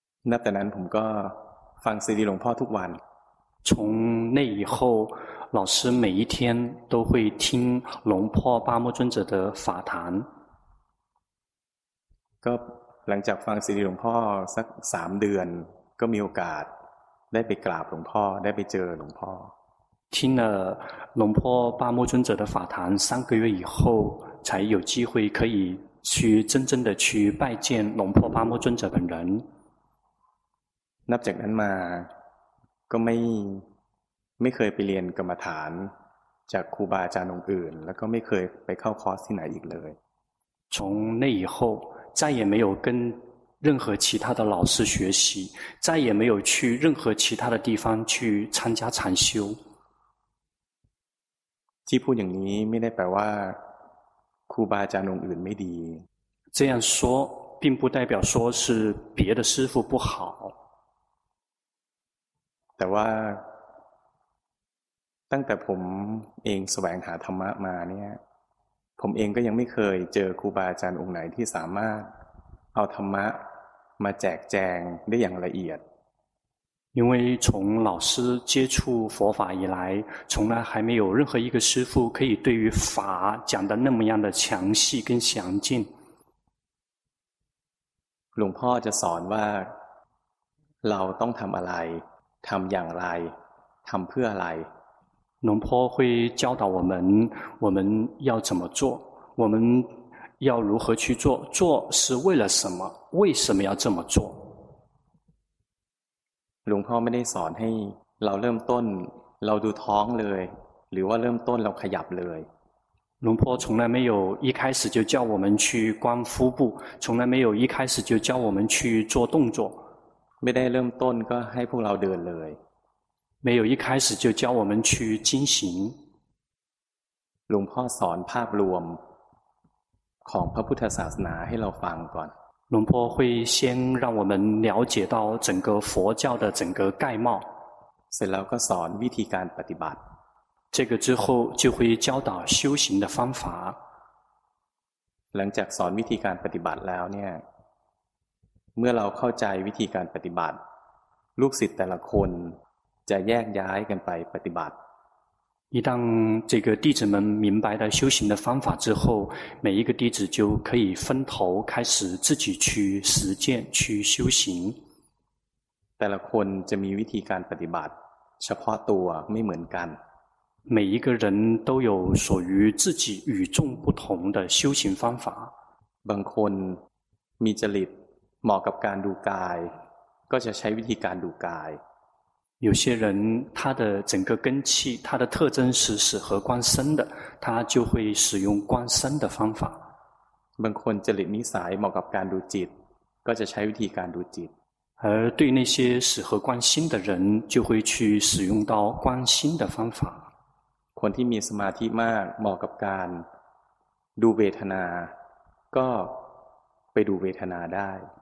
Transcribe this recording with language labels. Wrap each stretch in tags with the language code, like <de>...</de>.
<th>นับแต่นั้นผมก็ฟังซีดีหลวงพ่อทุกวัน</th> <zh>从那以后老师每一天都会听龙婆巴木尊者的法坛</zh> <th>ก็หลังจากฟังซีดีหลวงพ่อสัก3เดือนก็มีโอกาสได้ไปกราบหลวงพ่อได้ไปเจอหลวงพ่</th> <zh>อ听了龙婆巴木尊者的法坛三个月以后才有机会可以去真正的去拜见龙婆巴木尊者本人</zh> <th>นับจากนั้นมาก็ไม่เคยไปเรียนกรรมฐานจากครูบาอาจารย์องค์อื่นแล้วก็ไม่เคยไปเข้าคอร์สที่ไหนอีกเลย</th> <zh>从那以后再也没有跟任何其他的老师学习再也没有去任何其他的地方去参加禅修</zh> <th>ที่พูดอย่างนี้ไม่ได้แปลว่าครูบาอาจารย์องค์อื่นไม่ดี</th> <zh>这样说并不代表说是别的师父不好</zh> <th>แต่ว่าตั้งแต่ผมเองแสวงหาธรรมะมาเนี่ยผมเองก็ยังไม่เคยเจอครูบาอาจารย์องค์ไหนที่สามารถเอาธรรมะ มาแจกแจงได้อย่างละเอียด</th> <zh>因为从老师接触佛法以来，从来还没有任何一个师父可以对于法讲的那么样的详细跟详尽。</zh> <th>หลวงพ่อจะสอนว่าเราต้องทำอะไรทำอย่างไรทำเพื่ออะไร</th> <zh>龙坡会教导我们，我们要怎么做，我们要如何去做，做是为了什么，为什么要这么做。龙坡没得</zh> <th>สอนให้เราเริ่มต้นเราดูท้องเลยหรือว่าเริ่มต้นเราขยับเลย</th> <zh>龙坡从来没有一开始就教我们去观腹部，从来没有一开始就教我们去做动作。没得</zh> <th>เริ่มต้นก็ให้พวกเราเดินเลย</th> <zh>没有一开始就教我们去进行。</zh> <th>หลวงพ่อสอนภาพรวมของพระพุทธศาสนาให้เราฟังก่อน。</th> <zh>หลวงพ่อ会先让我们了解到整个佛教的整个概貌。</zh> <th>เสร็จแล้วก็สอนวิธีการปฏิบัติ。</th> <zh>这个之后就会教导修行的方法。</zh> <th>หลังจากสอนวิธีการปฏิบัติแล้วเนี่ยเมื่อเราเข้าใจวิธีการปฏิบัติลูกศิษย์แต่ละคนจะแยกย้ายกันไปปฏิบัติ</th> <zh>一旦这个弟子们明白了修行的方法之后，每一个弟子就可以分头开始自己去实践去修行。</zh> <th>แต่ละคนจะมีวิธีการปฏิบัติเฉพาะตัวไม่เหมือนกัน</th> <zh>每一个人都有属于自己与众不同的修行方法。</zh> <th>บางคนมีจริตเหมาะกับการดูกายก็จะใช้วิธีการดูกาย</th> <zh>有些人他的整个根气他的特征是适合观身的他就会使用观身的方法</zh> <th>บางคนจริตนิสัยเหมาะกับการดูจิตก็จะใช้วิธีการดูจิต</th> <zh>而对那些适合观心的人就会去使用到观心的方法</zh> <th>คนที่มีสมาธิมากเหมาะกับการดูเวทนาก็ไปดูเวทนาได้</th>